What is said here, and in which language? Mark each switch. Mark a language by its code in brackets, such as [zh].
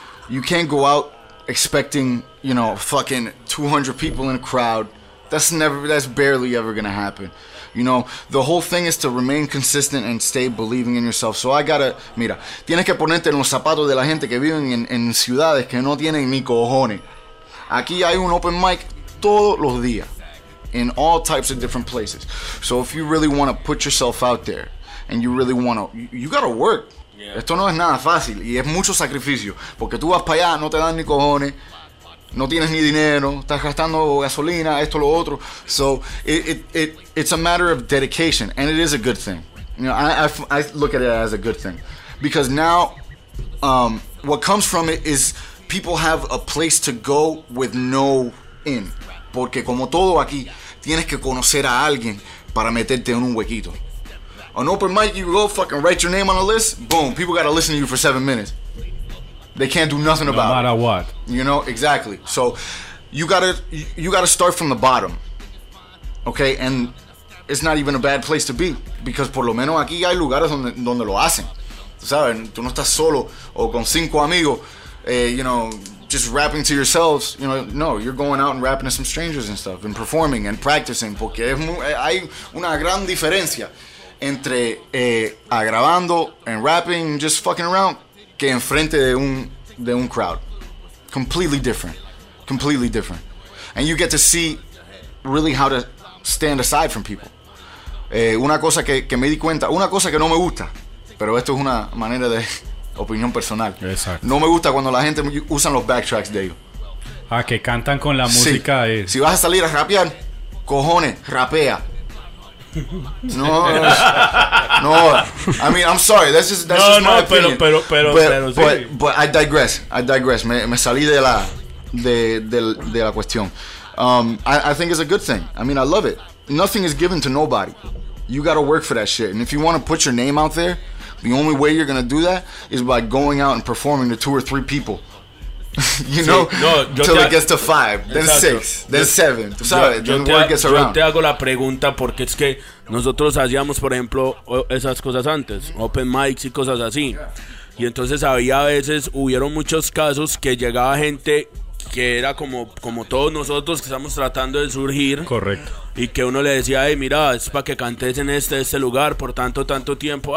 [en] You can't go out expecting, you know, fucking 200 people in a crowd. That's barely ever gonna happen. You know, the whole thing is to remain consistent and stay believing in yourself. So I gotta, [es] mira, tienes que ponerte en los zapatos de la gente que viven en ciudades que no tienen ni cojones. Aquí hay un open mic todos los días. [en] In all types of different places. So if you really want to put yourself out there and you really want to, you gotta work. Yeah. [es] Esto no es nada fácil y es mucho sacrificio. Porque tú vas para allá, no te dan ni cojones. No tienes ni dinero, estás gastando gasolina, esto, lo otro. [en] So it's a matter of dedication, and it is a good thing. You know, I look at it as a good thing, because now what comes from it is people have a place to go with no in. [es] Porque como todo aquí, tienes que conocer a alguien para meterte en un huequito. [en] An open mic, you go fucking write your name on a list. Boom, people gotta listen to you for 7 minutes. They can't do nothing no about it. No matter what. You know, exactly. So, you gotta start from the bottom. Okay, and it's not even a bad place to be. Because [es] por lo menos aquí hay lugares donde lo hacen. Tú sabes, tú no estás solo o con cinco amigos, [en] you know, just rapping to yourselves. You know, no, you're going out and rapping to some strangers and stuff. And performing and practicing. [es] Porque hay una gran diferencia entre agravando [en] and rapping and just fucking around. [es] Que enfrente de un [en] crowd. Completely different. Completely different. And you get to see really how to stand aside from people. [es] Una cosa que me di cuenta, una cosa que no me gusta, pero esto es una manera de opinión personal. Exacto. No me gusta cuando la gente usa los backtracks de ellos. Ah, que cantan con la música. Sí. Si vas a salir a rapear, cojones, rapea. No, no. [en] I mean, I'm sorry. That's just my opinion. But I digress. [es] Me salí de la cuestión. [en] I think it's a good thing. I mean, I love it. Nothing is given to nobody. You gotta work for that shit. And if you want to put your name out there, the only way you're gonna do that is by going out and performing to 2 or 3 people. You know, until it gets to 5, then 6, then 7, [es] tú sabes, [en] then word gets around. [es] Yo te hago la pregunta porque es que nosotros hacíamos, por ejemplo, esas cosas antes, open mics y cosas así. Y entonces había veces, hubieron muchos casos que llegaba gente que era como todos nosotros que estamos tratando de surgir. Correcto. Y que uno le decía, hey, mira, es para que cantes en este lugar por tanto tiempo.